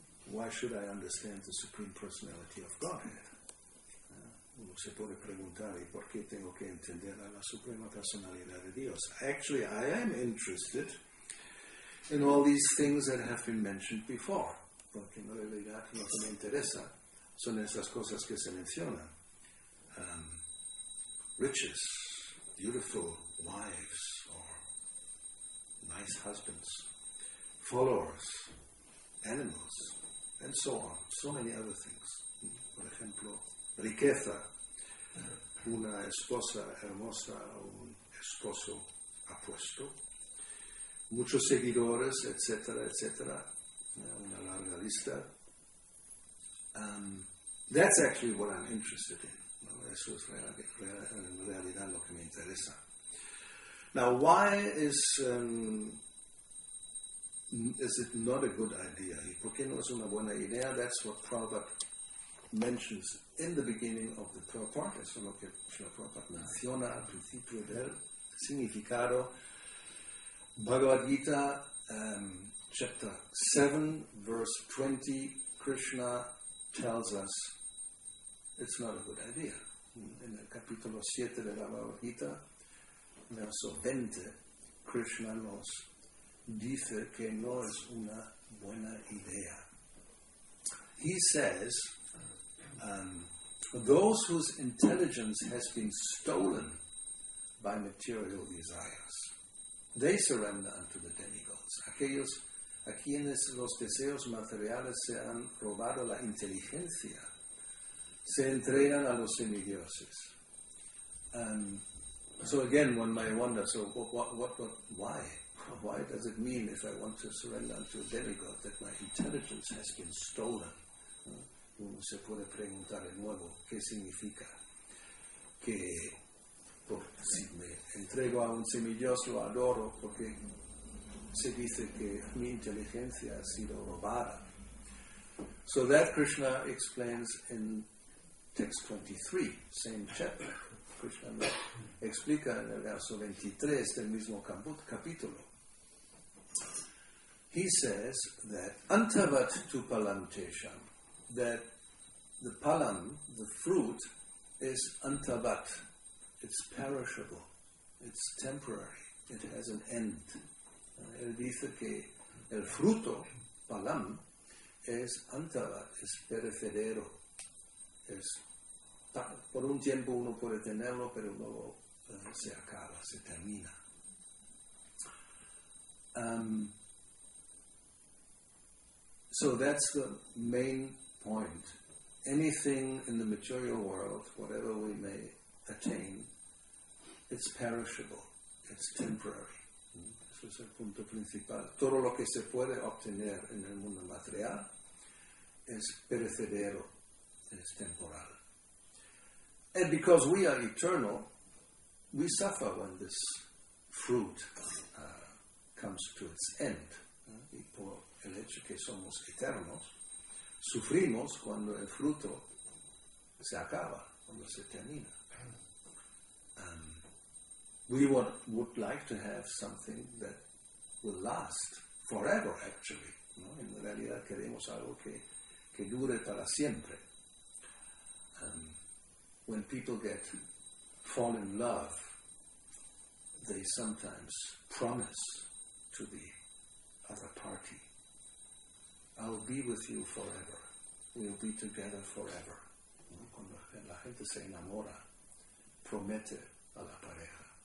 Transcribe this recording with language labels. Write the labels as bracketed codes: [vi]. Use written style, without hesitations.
[en] Why should I understand the Supreme Personality of Godhead? [es] Uno se puede preguntar, ¿y por qué tengo que entender a la Suprema Personalidad de Dios? [en] Actually, I am interested in all these things that have been mentioned before. [es] Porque en realidad lo que me interesa son esas cosas que se mencionan. [en] Riches, beautiful wives, or nice husbands, followers, animals, and so on, so many other things. [es] Por ejemplo, riqueza, una esposa hermosa, un esposo apuesto, muchos seguidores, etc., etc., una larga lista. [en] That's actually what I'm interested in. [es] Eso es en realidad lo que me interesa. [en] Now, why is it not a good idea? [es] ¿Y por qué no es una buena idea? [en] That's what Prabhupada mentions in the beginning of the purport. [es] Eso es lo que Prabhupada menciona al principio del significado. [en] Bhagavad Gita, chapter 7, verse 20, Krishna tells us it's not a good idea. [es] En el capítulo 7 de la Bhagavad Gita, verso 20, Krishna nos dice que no es una buena idea. [en] He says, those whose intelligence has been stolen by material desires, they surrender unto the demigods. [es] Aquellos a quienes los deseos materiales se han robado la inteligencia, se entregan a los semidioses. [en] So again, one might wonder, so why does it mean if I want to surrender unto a demigod that my intelligence has been stolen? [es] Uno se puede preguntar de nuevo, ¿qué significa? Que si me entrego a un semidios, lo adoro, porque se dice que mi inteligencia ha sido robada. [en] So that Krishna explains in text 23, same chapter. [es] Krishna explica en el verso 23 del mismo capítulo. [en] He says that antavat tu palantesham, that the palam, the fruit, is antavat. It's perishable. It's temporary. It has an end. [es] Él dice que el fruto, palam, es antavat, es perecedero. Es, por un tiempo uno puede tenerlo, pero luego se acaba, se termina. [en] So that's the main point. Anything in the material world, whatever we may attain, it's perishable, it's temporary. [es] Eso es el punto principal. Todo lo que se puede obtener en el mundo material es perecedero, es temporal. [en] And because we are eternal, we suffer when this fruit comes to its end. [es] Y por el hecho que somos eternos, sufrimos cuando el fruto se acaba, cuando se termina. [en] We would like to have something that will last forever, actually. [es] ¿No? En realidad queremos algo que dure para siempre. [en] When people fall in love, they sometimes promise to the other party, I'll be with you forever. We'll be together forever. [es] ¿No? Cuando la gente se enamora, promete a la pareja.